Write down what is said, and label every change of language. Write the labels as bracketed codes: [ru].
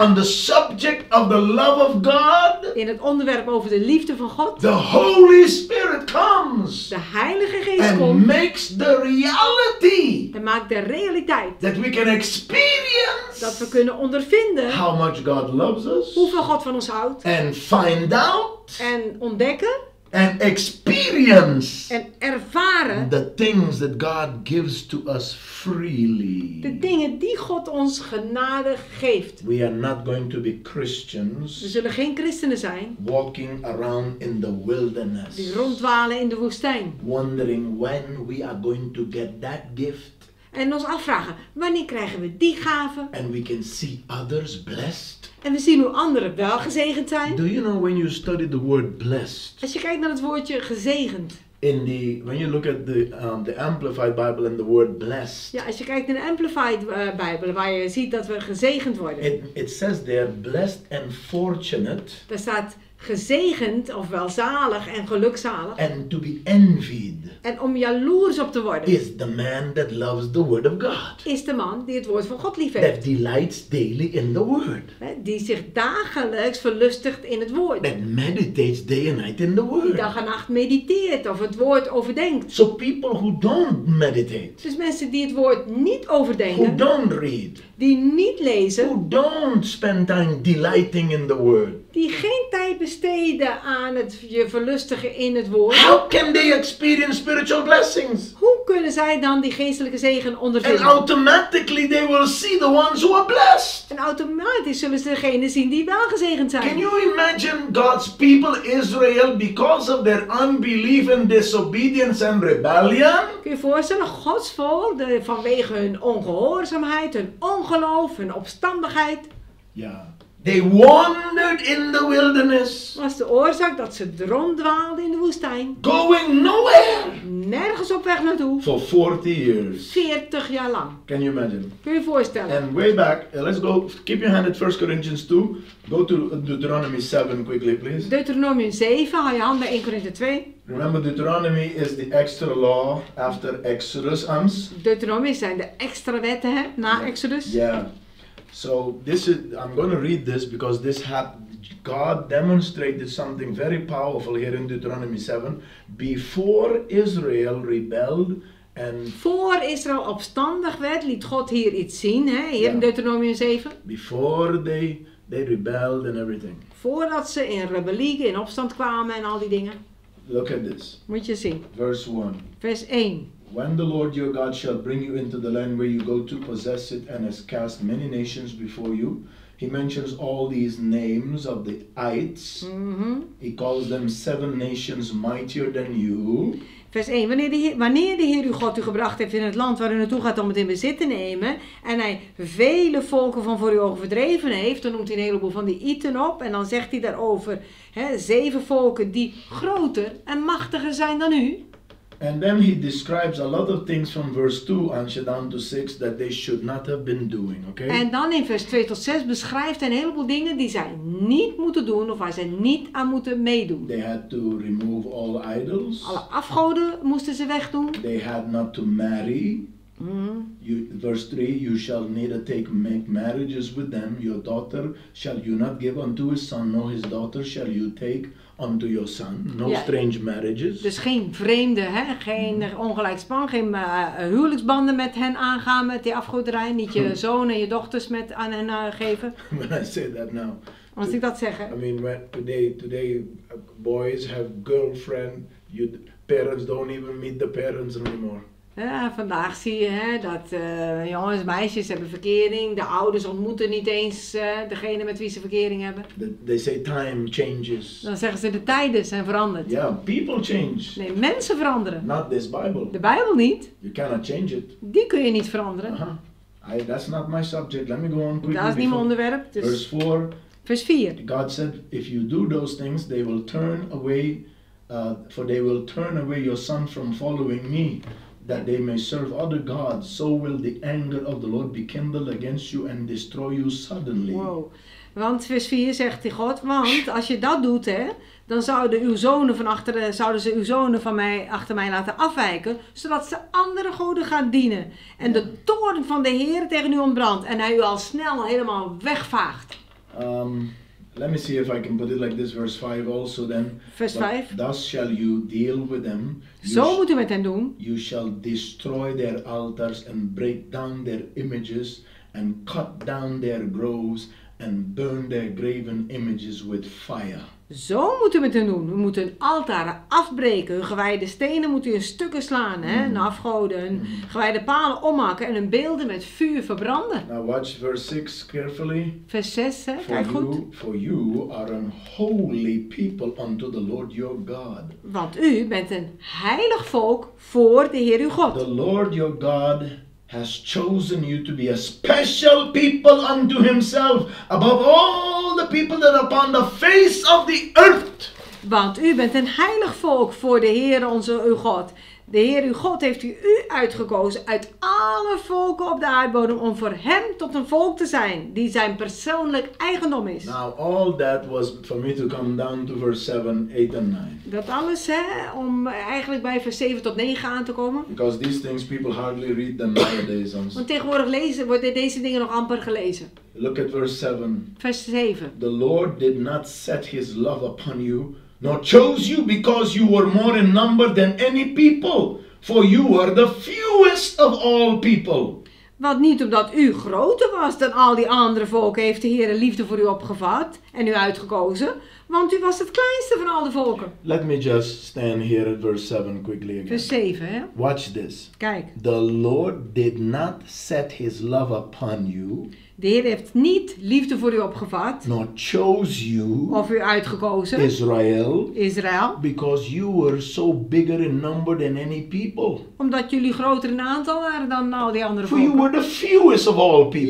[en] on the subject of the love of God, [nl] in het onderwerp over de liefde van God, [en] the Holy Spirit comes. [nl] De Heilige Geest komt. [en] And makes the reality. [nl] En maakt de realiteit. [en] That we can experience. [nl] dat we kunnen ondervinden [en] how much God loves us, [nl] hoeveel God van ons houdt. [en] And find out, [nl] en ontdekken. [en] And experience, [nl] en ervaren. [en] The things that God gives to us freely. [nl] De dingen die God ons genade geeft. [en] We are not going to be Christians. [nl] We zullen geen christenen zijn. [en] Walking around in the wilderness. [nl] Die ronddwalen in de woestijn. [en] Wondering when we are going to get that gift. [nl] En ons afvragen, wanneer krijgen we die gave? [en] And we can see others blessed. [nl] En we zien hoe anderen wel gezegend zijn. [en] Do you know when you study the word blessed? [nl] Als je kijkt naar het woordje gezegend. [en] In the, when you look at the Amplified Bible and the word blessed. [nl] Ja, als je kijkt naar de Amplified Bible, waar je ziet dat we gezegend worden. [en] It says there, blessed and fortunate. [nl] Daar staat gezegend, ofwel zalig en gelukzalig. [en] And to be envied. [nl] En om jaloers op te worden. [en] Is the man that loves the word of God. [nl] Is de man die het woord van God liefheeft. [en] That delights daily in the word. [nl] Die zich dagelijks verlustigt in het woord. [en] That meditates day and night in the word. [nl] Die dag en nacht mediteert of het woord overdenkt. [en] So people who don't meditate. [nl] Dus mensen die het woord niet overdenken. [en] Who don't read. [nl] Die niet lezen. [en] Who don't spend time delighting in the word. [nl] Die geen tijd besteden aan het je verlustigen in het woord. [en] How can they experience spiritual blessings? [nl] Hoe kunnen zij dan die geestelijke zegen ondervinden? [en] And automatically they will see the ones who are blessed. [nl] En automatisch zullen ze degenen zien die wel gezegend zijn. [en] Can you imagine God's people Israel because of their unbelief and disobedience and rebellion? [nl] Kun je voorstellen, Gods volk vanwege hun ongehoorzaamheid, hun ongeloof, hun opstandigheid. [en] Ja. They wandered in the wilderness. [nl] Was de oorzaak dat ze ronddwaalden in de woestijn. [en] Going nowhere. [nl] Nergens op weg naartoe. [en] For 40 years. [nl] 40 jaar lang. [en] Can you imagine? [nl] Kun je voorstellen? [en] And way back, let's go, keep your hand at 1 Corinthians 2. Go to Deuteronomy 7 quickly, please. [nl] Deuteronomy 7, hou je hand bij 1 Corinthians 2. [en] Remember, Deuteronomy is the extra law after Exodus. [nl] Deuteronomy zijn de extra wetten, hè, na Exodus. Ja. Yeah. [en] So this is, I'm going to read this because this God demonstrated something very powerful here in Deuteronomy 7. Before Israel rebelled and... [nl] Voor Israël opstandig werd, liet God hier iets zien, hè, hier in Deuteronomy 7. [en] Before they rebelled and everything. [nl] Voordat ze in rebellie, in opstand kwamen en al die dingen. [en] Look at this. [nl] Moet je zien. [en] Verse 1. [nl] Vers 1. [en] When the Lord your God shall bring you into the land where you go to possess it and has cast many nations before you. He mentions all these names of the Ites. Mm-hmm. He calls them seven nations mightier than you. [nl] Vers 1. Wanneer de Heer uw God u gebracht heeft in het land waar u naartoe gaat om het in bezit te nemen. En hij vele volken van voor uw ogen verdreven heeft. Dan noemt hij een heleboel van die Iten op. En dan zegt hij daarover zeven volken die groter en machtiger zijn dan u. [en] And then he describes a lot of things from verse 2 and shall down to 6 that they should not have been doing, okay? [nl] En dan in vers 2 tot 6 beschrijft hij een heleboel dingen die zij niet moeten doen of waar zij niet aan moeten meedoen. [en] They had to remove all idols. [nl] Alle afgoden moesten ze wegdoen. [en] They had not to marry. Mm-hmm. Verse 3, you shall neither make marriages with them. Your daughter shall you not give unto his son, nor his daughter shall you take unto your son. No strange marriages. [nl] Dus geen vreemde, hè? Geen ongelijkspan, geen huwelijksbanden met hen aangaan met die afgoderij. Niet je zoon en je dochters met aan hen geven. [en] When I say that now. [nl] Als ik dat zeg. [en] I mean, today boys have girlfriend, you parents don't even meet the parents anymore. [nl] Ja, vandaag zie je dat jongens en meisjes hebben verkering. De ouders ontmoeten niet eens degene met wie ze verkering hebben. [en] They say time changes. [nl] Dan zeggen ze de tijden zijn veranderd. [en] Yeah, people change. [nl] Nee, mensen veranderen. [en] Not this Bible. [nl] De Bijbel niet. [en] You cannot change it. [nl] Die kun je niet veranderen. [en] Uh-huh. That's not my subject. Let me go on quickly. [nl] Dat is niet mijn onderwerp. Dus [en] verse 4. [nl] Vers 4. [en] God said, if you do those things, they will turn away, for they will turn away your son from following me. That they may serve other gods, so will the anger of the Lord be kindled against you and destroy you suddenly. Wow. [nl] Want vers 4 zegt die God, want als je dat doet, hè, dan zouden ze uw zonen van mij achter mij laten afwijken, zodat ze andere goden gaan dienen. En de toorn van de Heer tegen u ontbrandt en hij u al snel helemaal wegvaagt. [en] Let me see if I can put it like this, verse 5 also then. [nl] Vers 5. [en] Thus shall you deal with them. [nl] Zo moet u met hen doen. [en] You shall destroy their altars and break down their images and cut down their groves and burn their graven images with fire. [nl] Zo moeten we het doen. We moeten hun altaren afbreken. Hun gewijde stenen moeten hun stukken slaan. Hè? Mm. Afgoden. Hun gewijde palen omhakken. En hun beelden met vuur verbranden. [en] Now watch verse 6 carefully. [nl] Vers 6, hè? Kijk goed. [en] For you are a holy people unto the Lord your God. [nl] Want u bent een heilig volk voor de Heer uw God. [en] The Lord your God has chosen you to be a special people unto himself above all the people that are upon the face of the earth. [nl] Want u bent een heilig volk voor de Heer onze uw God. De Heer uw God heeft u uitgekozen uit alle volken op de aardbodem om voor hem tot een volk te zijn die zijn persoonlijk eigendom is. [en] Now all that was for me to come down to verse 7, 8 and 9. [nl] Dat alles, hè, om eigenlijk bij vers 7 tot 9 aan te komen. [en] Because these things people hardly read them nowadays. [nl] Want tegenwoordig worden deze dingen nog amper gelezen. [en] Look at verse 7. [nl] Vers 7. [en] The Lord did not set his love upon you. Nor chose you because you were more in number than any people. For you were the fewest of all people. [nl] Want niet omdat u groter was dan al die andere volken heeft de Heer liefde voor u opgevat en u uitgekozen. Want u was het kleinste van al de volken. [en] Let me just stand here at verse 7 quickly again. [nl] Vers 7, hè? [en] Watch this. [nl] Kijk. [en] The Lord did not set his love upon you. [nl] De Heer heeft niet liefde voor u opgevat. [en] Nor chose you. [nl] Of u uitgekozen. [en] Israel. Because you were so bigger in number than any people. [nl] Omdat jullie groter in aantal waren dan al die andere volken. [en] For you were the fewest of all people.